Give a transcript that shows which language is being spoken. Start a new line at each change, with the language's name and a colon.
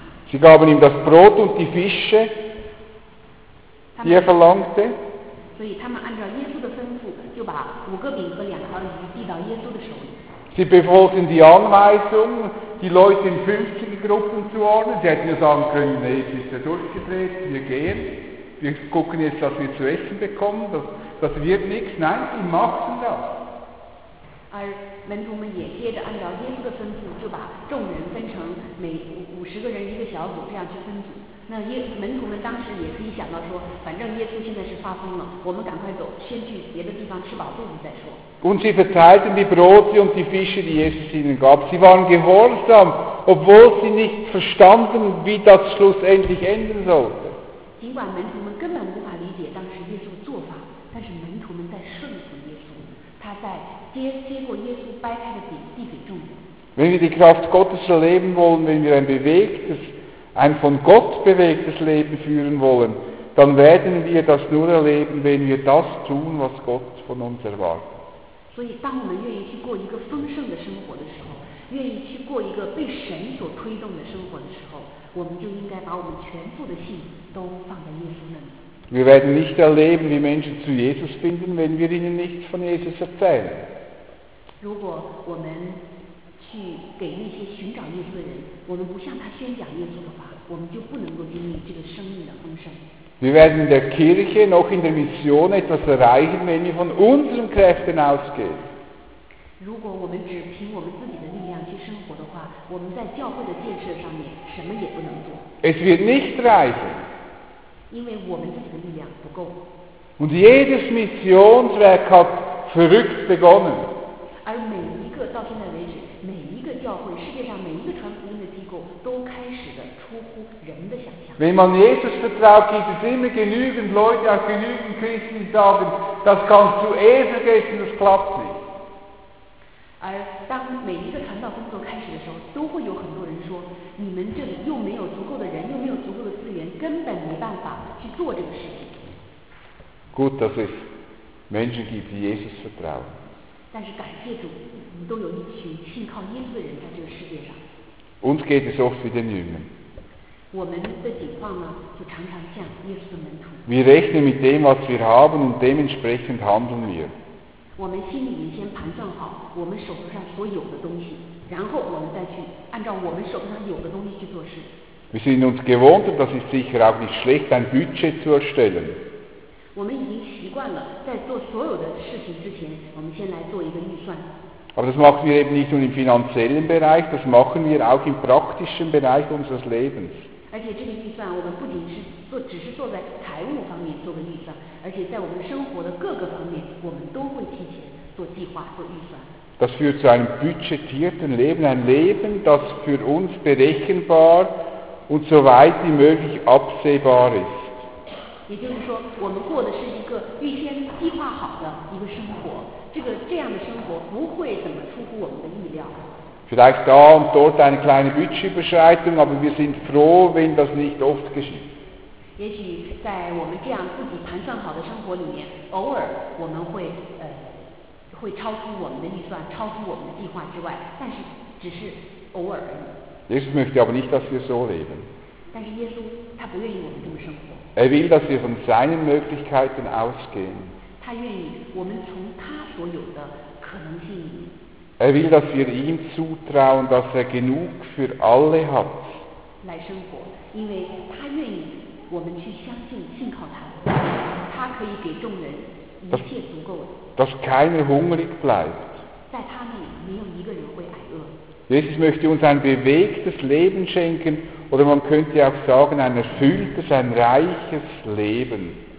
German: Sie gaben ihm das Brot und die Fische, die er verlangte.
Chinese: 所以他们按照耶稣的吩咐，就把五个饼和两条鱼递到耶稣的手里。
German: Sie befolgten die Anweisung, die Leute in 50 Gruppen zu ordnen. Sie hätten ja sagen können, nee, es ist ja durchgedreht, wir gehen. Wir gucken jetzt, dass wir zu essen bekommen. Das wird nichts. Nein, sie machten das.
Chinese: 而门徒们也接着按照耶稣的吩咐，就把众人分成每50个人一个小组，这样去分组。那门徒们当时也可以想到说，反正耶稣现在是发疯了，我们赶快走，先去别的地方吃饱肚子再说。
German: Und sie verteilten die Brote und die Fische, die Jesus ihnen gab. Sie waren gehorsam, obwohl sie nicht verstanden, wie das schlussendlich enden sollte.
Chinese: 尽管门徒们根本无法理解当时耶稣的做法，但是门徒们在顺服耶稣，他在接过耶稣掰开的饼递给众人。
German: Wenn wir die Kraft Gottes erleben wollen, wenn wir ein bewegtes ein von Gott bewegtes Leben führen wollen, dann werden wir das nur erleben, wenn wir das tun, was Gott von uns erwartet.
Chinese: 所以当我们愿意去过一个丰盛的生活的时候，愿意去过一个被神所推动的生活的时候，我们就应该把我们全部的心都放在耶稣那里。
German: Wir werden nicht erleben, wie Menschen zu Jesus finden, wenn wir ihnen nichts von Jesus erzählen.
Chinese: 如果我们去给那些寻找耶稣的人，我们不向他宣讲耶稣的话，我们就不能够经历这个生命的丰盛。
German: Wir werden in der Kirche noch in der Mission etwas erreichen, wenn wir von unseren Kräften ausgehen.
Chinese: 如果我们只凭我们自己的力量去生活的话，我们在教会的建设上面什么也不能做。
German: Es wird nicht reichen.
Chinese: 因为我们自己的力量不够。
German: Und jedes Missionswerk hat verrückt begonnen.
Chinese: 而每一个到现在为止。每一个教会，世界上每一个传福音的机构，都开始的出乎人的想象。
German: Wenn man Jesus vertraut, gibt es immer genügend Leute, auch genügend Christen, die sagen, das kannst du eh vergessen, das klappt nicht.
Chinese: 而当每一个传道工作开始的时候，都会有很多人说，你们这里又没有足够的人，又没有足够的资源，根本没办法去做这个事情。
German: Gut, dass es Menschen gibt, die Jesus vertrauen.
Chinese: 但是感谢主，我们都有一群信靠耶稣的人在这个世界上。
German: Uns geht es oft wie den Jüngern.
Chinese: 我们的情况呢，就常常像耶稣的门徒。
German: Wir rechnen mit dem, was wir haben, und dementsprechend handeln wir.
Chinese: 我们心里面先盘算好我们手头上所有的东西，然后我们再去按照我们手头上有的东西去做事。
German: Wir sind uns gewohnt, und das ist sicher auch nicht schlecht, ein Budget zu erstellen.
Chinese: 我们已经习惯了在做所有的事情之前我们先来做一个预算。
German: Aber das machen wir eben nicht nur im finanziellen Bereich, das machen wir auch im praktischen Bereich unseres Lebens.
Chinese: 而且这个预算我们不仅是做只是做在财务方面做个预算，而且在我们生活的各个方面我们都会提前做计划做预算。
German: Das führt zu einem budgetierten Leben, ein Leben, das für uns berechenbar und so weit wie möglich absehbar ist.
Chinese: 也就是说，我们过的是一个预先计划好的一个生活，这样的生活不会怎么出乎我们的意料。
German: Vielleicht da und dort eine kleine Budgetüberschreitung, aber wir sind froh, wenn das nicht oft geschieht.
Chinese: 也许在我们这样自己盘算好的生活里面，偶尔我们会会超出我们的预算，超出我们的计划之外，但是只是偶尔而已。
German: Jesus möchte aber nicht, dass wir so leben.
Chinese: 但是耶稣他不愿意我们这么生活。
German: Er will, dass wir von seinen Möglichkeiten ausgehen.
Chinese: 他愿意我们从他所有的可能性。
German: Er will, dass wir ihm zutrauen, dass er genug für alle hat.
Chinese: 来生活，因为他愿意我们去相信，信靠他，他可以给众人一切足够的。
German: Dass keiner hungrig bleibt.
Chinese: 在他那里没有一个人会挨饿。
German: Jesus möchte uns ein bewegtes Leben schenken, oder man könnte auch sagen, ein erfülltes, ein reiches Leben.